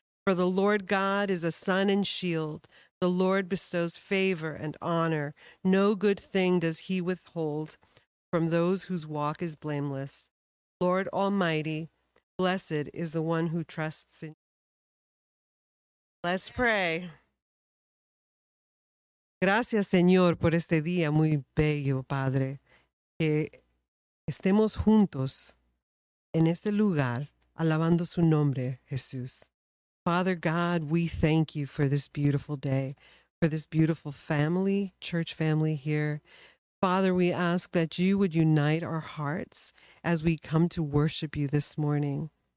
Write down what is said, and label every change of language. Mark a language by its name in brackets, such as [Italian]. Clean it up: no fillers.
[English] For the Lord God is a sun and shield. The Lord bestows favor and honor. No good thing does he withhold from those whose walk is blameless. Lord Almighty, blessed is the one who trusts in you. Let's pray. [Spanish] Gracias, Señor, por este día muy bello, Padre, que estemos juntos en este lugar alabando su nombre, Jesús. [English] Father God, we thank you for this beautiful day, for this beautiful family, church family here. Father, we ask that you would unite our hearts as we come to worship you this morning.